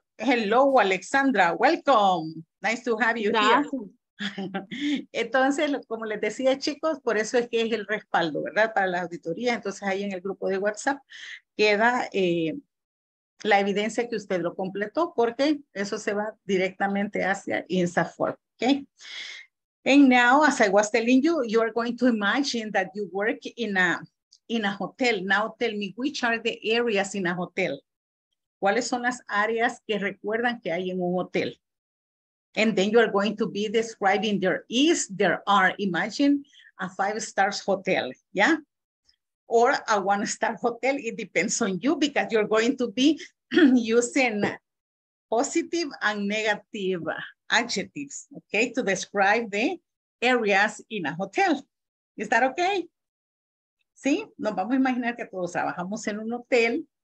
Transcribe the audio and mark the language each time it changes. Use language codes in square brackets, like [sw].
[en] Hello, Alexandra. Welcome. Nice to have you here. [es] Entonces, como les decía, chicos, por eso es que es el respaldo, ¿verdad? Para la auditoría. Entonces, ahí en el grupo de WhatsApp queda la evidencia que usted lo completó, porque eso se va directamente hacia INSAFORP. ¿Okay? [en] And now, as I was telling you, you are going to imagine that you work in a hotel. Now tell me, which are the areas in a hotel? [es] ¿Cuáles son las áreas que recuerdan que hay en un hotel? [en] And then you are going to be describing there is, there are, imagine a 5-star hotel, yeah? Or a 1-star hotel, it depends on you, because you're going to be using positive and negative adjectives, okay, to describe the areas in a hotel. Is that okay? [es] ¿Sí? Nos vamos a imaginar que todos trabajamos en un hotel.